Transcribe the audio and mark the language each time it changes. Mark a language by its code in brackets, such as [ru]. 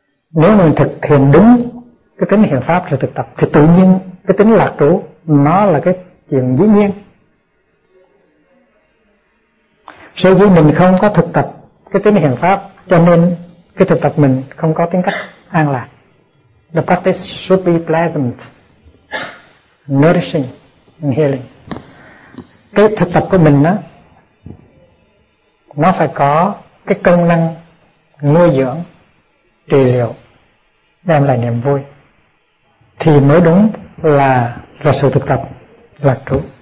[vi] Nếu mình thực hiện đúng cái tính hiện pháp, sự thực tập, thì tự nhiên cái tính lạc trú nó là cái chuyện dĩ nhiên. Sở dĩ mình không có thực tập cái tính hiện pháp cho nên cái thực tập mình không có tính cách an lạc. [en] The practice should be pleasant, nourishing and healing. [vi] Cái thực tập của mình đó, nó phải có cái công năng nuôi dưỡng, trị liệu, đem lại niềm vui thì mới đúng là sự thực tập lạc trú.